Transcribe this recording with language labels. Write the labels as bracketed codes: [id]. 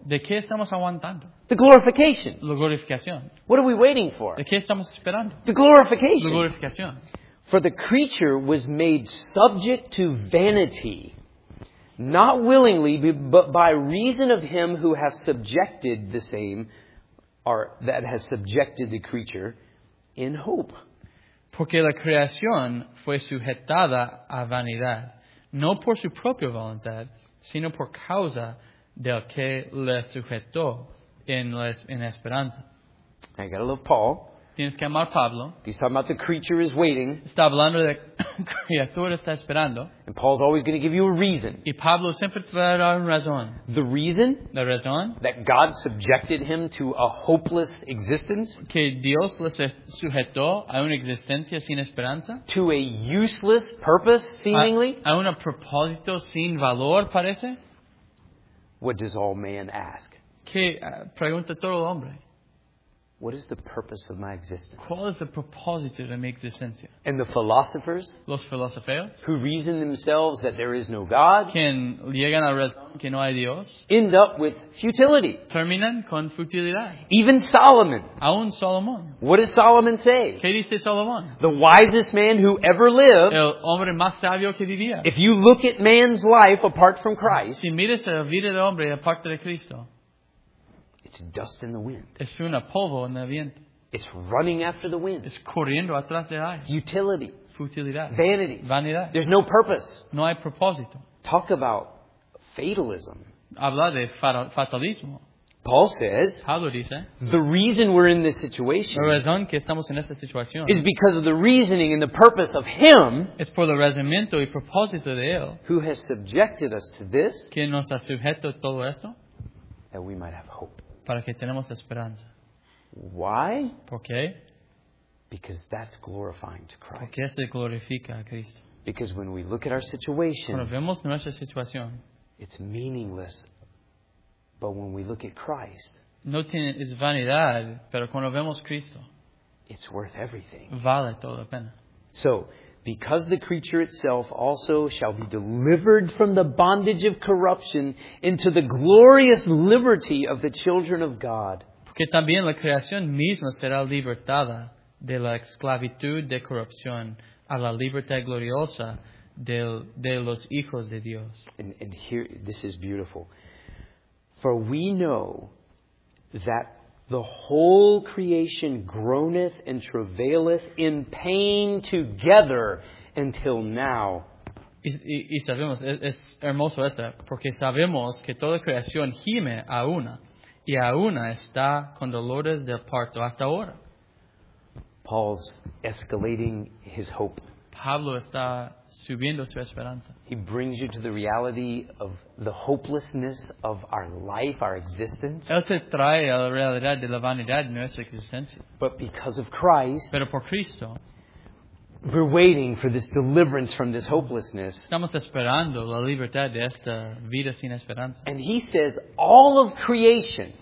[es] ¿De qué estamos aguantando? [en] The glorification. [es] La glorificación. [en] What are we waiting for? [es] ¿De qué estamos esperando? [en] The glorification. [es] La glorificación. [en] For the creature was made subject to vanity, not willingly, but by reason of him who hath subjected the same, or that has subjected the creature, in hope. [es] Porque la creación fue sujetada a vanidad, no por su propia voluntad, sino por causa del que le sujetó en esperanza. [en] I gotta love Paul. [es] Tienes que amar Pablo. [en] He's talking about the creature is waiting. [es] Está hablando de criatura está esperando. [en] And Paul's always going to give you a reason. [es] Y Pablo siempre te va a dar una razón. [en] The reason? [es] La razón? [en] That God subjected him to a hopeless existence? [es] Que Dios le sujetó a una existencia sin esperanza? [en] To a useless purpose, seemingly? [es] A un propósito sin valor, parece? [en] What does all man ask? [es] Que pregunta todo hombre. [en] What is the purpose of my existence? [es] ¿Cuál es el propósito de mi existencia? [en] And the philosophers, [es] los filósofos, [en] who reason themselves that there is no God, [es] quien llegan a razón que no hay Dios, [en] end up with futility. [es] Terminan con futilidad. [en] Even Solomon. [es] Aún Salomón. [en] What does Solomon say? [es] ¿Qué dice Salomón? [en] The wisest man who ever lived. [es] El hombre más sabio que vivía. [en] If you look at man's life apart from Christ. [es] Si miras la vida del hombre aparte de Cristo. [en] It's dust in the wind. [es] Es una polvo en el viento. [en] It's running after the wind. [es] Es corriendo atrás del aire. [en] Utility. [es] Futilidad. [en] Vanity. [es] Vanidad. [en] There's no purpose. [es] No hay propósito. [en] Talk about fatalism. [es] Habla de fatalismo. [en] Paul says, [es] Pablo dice, [en] the reason we're in this situation, [es] la razón que estamos en esta situación, [en] is because of the reasoning and the purpose of him, [es] es por el razonamiento y propósito de él, [en] who has subjected us to this, [es] que nos ha sujeto todo esto, [en] that we might have hope. [es] Para que tenemos esperanza. [en] Why? [es] ¿Por qué? [en] Because that's glorifying to Christ. [es] Porque eso glorifica a Cristo. [en] Because when we look at our situation, [es] cuando vemos nuestra situación, [en] it's meaningless. But when we look at Christ, [es] no tiene, es vanidad, pero cuando vemos Cristo, [en] it's worth everything. [es] Vale toda la pena. [en] So, because the creature itself also shall be delivered from the bondage of corruption into the glorious liberty of the children of God. [es] Porque también la creación misma será libertada de la esclavitud de corrupción a la libertad gloriosa de los hijos de Dios. [en] And here, this is beautiful. For we know that the whole creation groaneth and travaileth in pain together until now. [es] Y sabemos, es hermoso eso, porque sabemos que toda creación gime a una, y a una está con dolores del parto hasta ahora. [en] Paul's escalating his hope. [es] Pablo está subiendo su esperanza. [en] He brings you to the reality of the hopelessness of our life, our existence. [es] Él te trae a la realidad de la vanidad de nuestra existencia. [en] But because of Christ, [es] pero por Cristo, [en] we're waiting for this deliverance from this hopelessness. [es] Estamos esperando la libertad de esta vida sin esperanza. [en] And he says, all of creation.